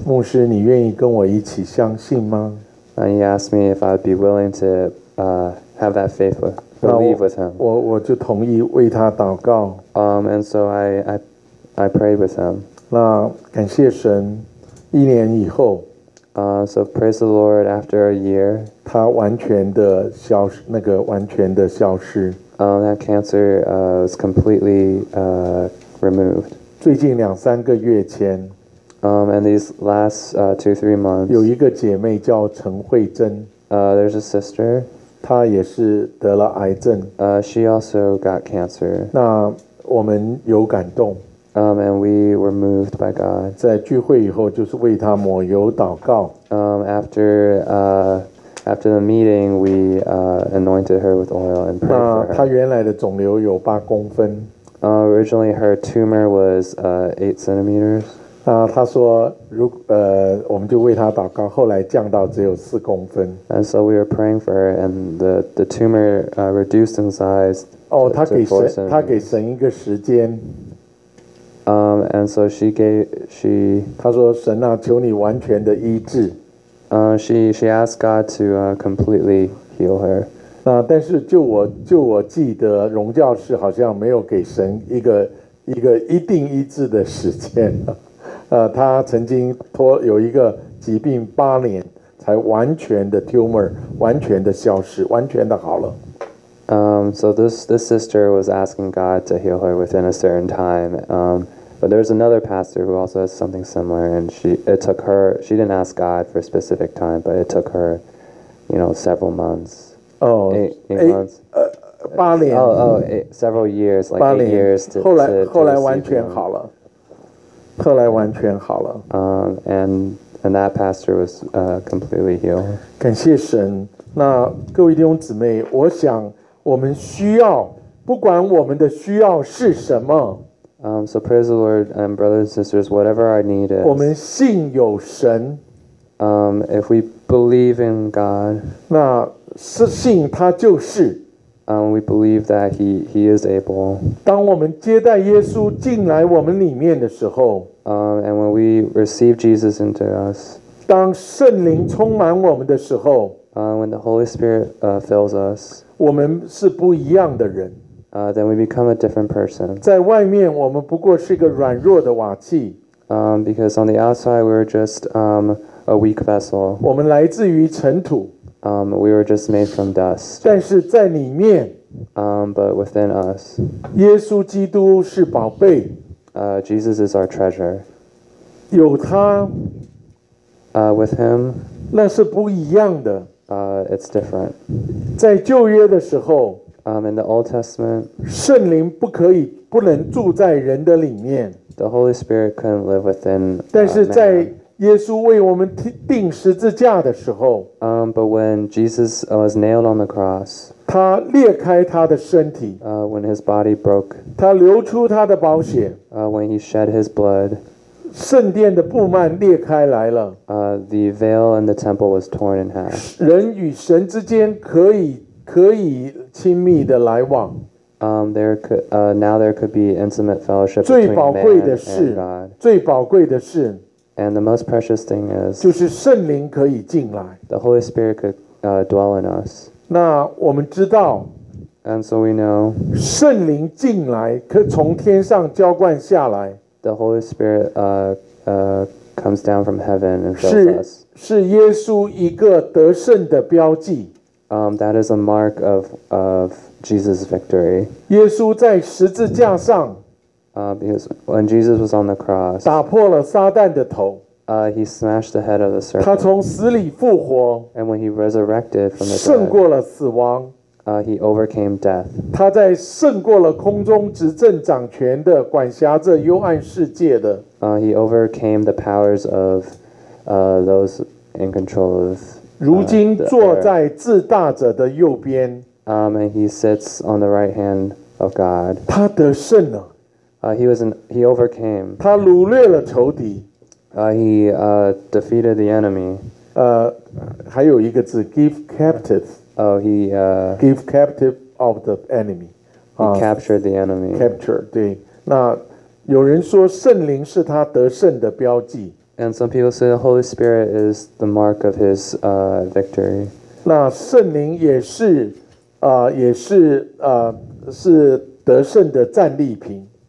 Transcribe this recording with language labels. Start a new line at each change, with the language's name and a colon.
Chinese: 牧师，你愿意跟我一起相信吗？
English: And he asked me if I'd be willing to have that faith believe with him.
Chinese: 我就同意为他祷告。
English: And so I prayed with him.
Chinese: 那感谢神，一年以后。
English: So praise the Lord. After a year,
Chinese: 他完全的消失，那个完全的消失。
English: That cancer was completely removed.
Chinese: 最近两三个月前。
English: And these last two three months.
Chinese: 有一个姐妹叫陈慧珍。
English: There's a sister.
Chinese: 她也是得了癌症。
English: She also got cancer.
Chinese: 那我们有感动。
English: And we were moved by God.
Chinese: 在聚会以后，就是为他抹油祷告。
English: After the meeting, we anointed her with oil and prayed for her.
Chinese: 那她原来的肿瘤有八公分。
English: Originally, her tumor was 8 centimeters.
Chinese: 那她说，我们就为她祷告，后来降到只有四公分。
English: And so we were praying for her, and the tumor reduced in size.
Chinese: 她给神一个时间。
English: And so she gave.
Chinese: 她说：“神啊，求你完全的医治。”
English: She asked God to completely heal her.
Chinese: 那但是就我记得，荣教士好像没有给神一个一定医治的时间。他曾经有一个疾病八年才完全的 tumor 完全的消失，完全的好了。
English: So this sister was asking God to heal her within a certain time. But there's another pastor who also has something similar, and she didn't ask God for a specific time, but it took her, you know, several months. Several years, like 8 years to receive healing. And that pastor was completely healed.
Chinese: 感谢神。那各位弟兄姊妹，我想。我们需要，不管我们的需要是什么。
English: So praise the Lord and brothers and sisters, whatever our need is.
Chinese: 我们信有神。
English: If we believe in God.
Chinese: 那是信他就是。
English: We believe that he is able.
Chinese: 当我们接待耶稣进来我们里面的时候。
English: And when we receive Jesus into us.
Chinese: 当圣灵充满我们的时候。
English: When the Holy Spirit fills us.
Chinese: 我们是不一样的人。
English: Then we become a different person.
Chinese: 在外面我们不过是个软弱的瓦器。
English: Because on the outside we were just a weak vessel.
Chinese: 我们来自于尘土。
English: We were just made from dust.
Chinese: 但是在里面。
English: But within us.
Chinese: 耶稣基督是宝贝。
English: Jesus is our treasure.
Chinese: 有他。
English: With him.
Chinese: 那是不一样的。
English: It's different.
Chinese: 在旧约的时候
English: In the Old Testament,
Chinese: 圣灵不能住在人的里面。
English: The Holy Spirit couldn't live within.
Chinese: 但是在耶稣为我们钉十字架的时候
English: But when Jesus was nailed on the cross,
Chinese: 他裂开他的身体
English: When his body broke,
Chinese: 他流出他的宝血
English: When he shed his blood,
Chinese: 圣殿的布幔裂开来了
English: The veil in the temple was torn in half.
Chinese: 人与神之间可以亲密的来往
English: Now there could be intimate fellowship between man and God.
Chinese: 最宝贵的是
English: And the most precious thing is,
Chinese: 就是圣灵可以进来。
English: The Holy Spirit could, dwell in us.
Chinese: 那我们知道。
English: And so we know.
Chinese: 圣灵进来，可从天上浇灌下来。
English: The Holy Spirit, comes down from heaven and fills us.
Chinese: 是耶稣一个得胜的标记。
English: That is a mark of Jesus' victory.
Chinese: 耶稣在十字架上。
English: Because when Jesus was on the cross,
Chinese: 打破了撒旦的头
English: he smashed the head of the serpent.
Chinese: 他从死里复活
English: And when he resurrected from the dead,
Chinese: 胜过了死亡
English: he overcame death.
Chinese: 他在胜过了空中执政掌权的管辖着幽暗世界的
English: he overcame the powers of, those in control of.
Chinese: 如今坐在至大者的右边
English: and he sits on the right hand of God.
Chinese: 他得胜了。
English: He overcame.
Chinese: 他掳掠了仇敌。
English: Defeated the enemy.
Chinese: 还有一个字
English: ，give captive. Give captive of the enemy. He captured the enemy. Capture
Chinese: 对。那有人说圣灵是他得胜的标记。
English: And some people say the Holy Spirit is the mark of his victory.
Chinese: 那圣灵也是也是是得胜的战利品。